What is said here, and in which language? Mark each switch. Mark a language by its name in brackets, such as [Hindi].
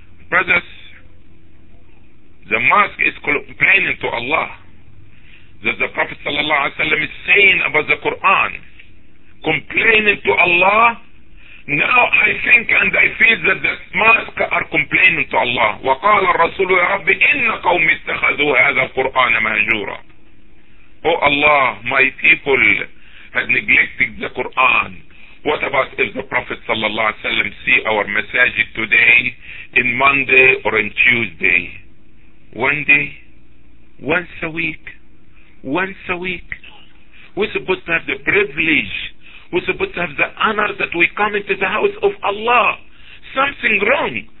[English] Brothers, the mosque is complaining to Allah that the Prophet sallallahu alaihi wasallam is saying about the Quran, complaining to Allah. Now I think and I feel that the mosque are complaining to Allah. [Arabic] وقال الرسول يا رب إن قوم اتخذوا هذا القرآن مهجورا. [English] Oh Allah, my people had neglected the Quran. What about if the Prophet sallallahu alaihi wasallam see our masajid today, in Monday or in Tuesday? One day, once a week. We're supposed to have the privilege, we're supposed to have the honor that we come into the house of Allah. Something wrong.